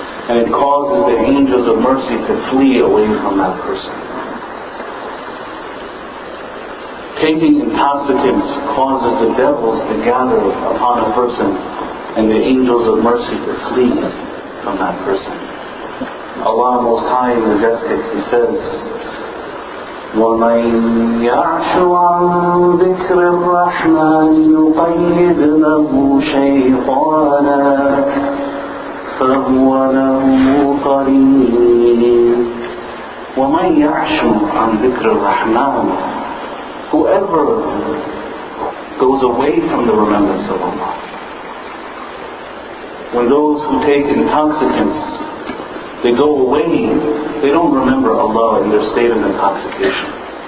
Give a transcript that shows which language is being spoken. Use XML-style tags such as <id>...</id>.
<en>And it causes the angels of mercy to flee away from that person. Taking intoxicants causes the devils to gather upon a person and the angels of mercy to flee from that person. Allah Most High and Majestic, He says,</en> <ar>وَمَنْ يَعْشُ عَنْ ذِكْرِ الرَّحْمَنِ يُقَيِّدْ لَهُ شَيْطَانًا فَهُوَ لَهُ قَرِينٌ. وَمَنْ يَعْشُ عَنْ ذِكْرِ الرَّحْمَنِ,</ar> <en>whoever goes away from the remembrance of Allah, when those who take intoxicants, they go away, they don't remember Allah in their state of intoxication.</en>